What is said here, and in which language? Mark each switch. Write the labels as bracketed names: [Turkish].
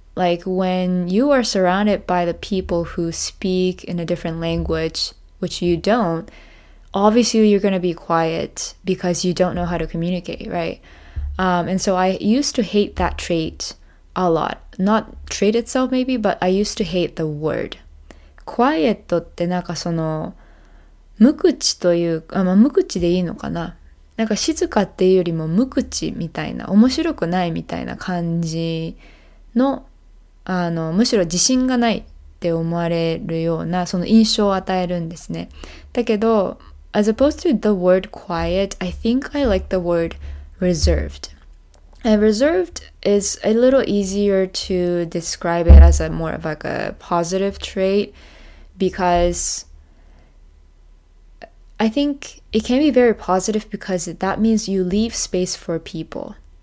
[English] Like when you are surrounded by the people who speak in a different language, which you don't, obviously you're going to be quiet because you don't know how to communicate, right? And so I used to hate that trait a lot. Not trait itself maybe, but I used to hate the word. [Japanese] Quiet ってなんかその無口という、あ、まあ、無口でいいのかな。なんか静かっていうよりも無口みたいな、面白くないみたいな感じの、むしろ自信がないって思われるようなその印象を与えるんですね。だけど、 [English] as opposed to the word quiet, I think I like the wordreserved. And reserved is a little easier to describe it as a more of like a positive trait because I think it can be very positive because that means you leave space for people.